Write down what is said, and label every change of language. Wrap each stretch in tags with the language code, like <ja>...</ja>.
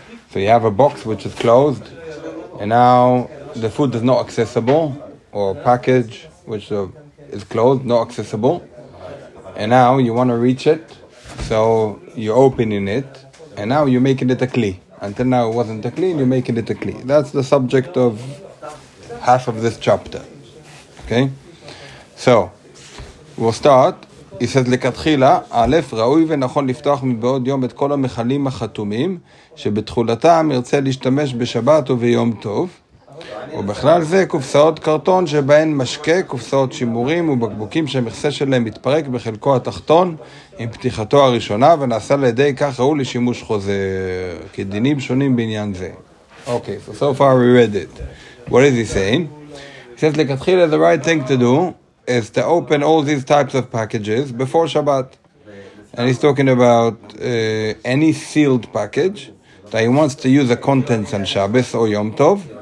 <en>So you have a box which is closed, and now the food is not accessible, or package which is closed, not accessible. And now you want to reach it, so you're opening it, and now you're making it a kli. Until now it wasn't a kli, you're making it a kli. That's the subject of half of this chapter. Okay? So, we'll start.</en> <he>He says, לכתחילה, א', ראוי ונכון לפתוח מבעוד יום את כל המחלים החתומים, שבתחולתם ירצה להשתמש בשבת וביום טוב. ובכלל זה קופסאות קרטון שבהן משקה, קופסאות שימורים ובקבוקים שהמכסה שלהם מתפרק בחלקו התחתון עם פתיחתו הראשונה ונעשה לידי כך ראו לשימוש חוזר כדינים שונים בעניין זה.</he> <en>Okay, so far we read it. What is he saying? He says, לכתחילה, the right thing to do is to open all these types of packages before Shabbat. And he's talking about any sealed package that he wants to use the contents on Shabbos or Yom Tov.</en>